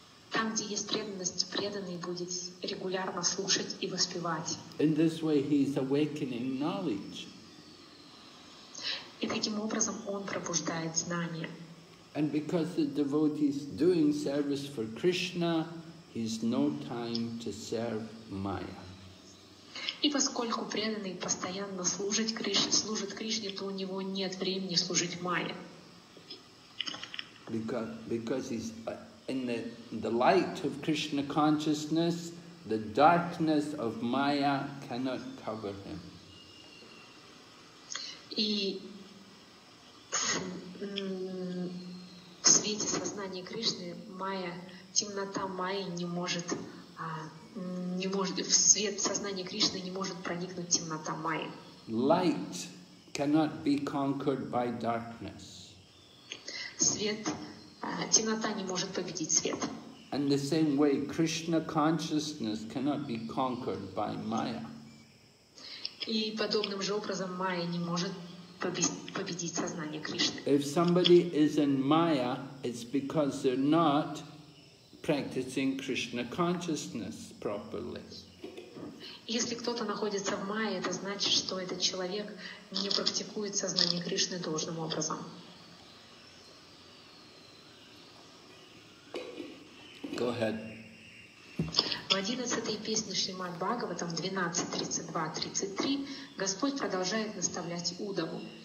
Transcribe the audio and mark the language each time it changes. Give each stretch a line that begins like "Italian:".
Russian: Там, где есть преданность, преданный будет регулярно слушать и воспевать.
English: In this way, he is awakening knowledge.
Russian: И таким образом, он пробуждает знание.
English: And because the devotee is doing service for Krishna, he has no time to serve Maya.
Russian: И поскольку преданный постоянно служит Кришне, то у него нет времени служить Майе.
English: Because he's in the light of Krishna consciousness, the darkness of Maya cannot cover him.
Russian: И в свете сознания Кришны Майя, темнота Майи не может в свет сознания Кришны не может проникнуть темнота Майи.
English: Light cannot be conquered by darkness.
Russian: Свет, темнота не может победить свет.
English: And the same way, Krishna consciousness cannot be conquered by Maya.
Russian: И подобным же образом Майя не может победить сознание Кришны.
English: If somebody is in Maya, it's because they're not practicing Krishna consciousness properly.
Russian: Если кто-то находится в Майе, это значит, что этот человек не практикует сознание Кришны должным образом.
English: Go ahead.
Russian: В 11-й песне Шримад Бхагаватам 12.32.33 Господь продолжает наставлять Удаву.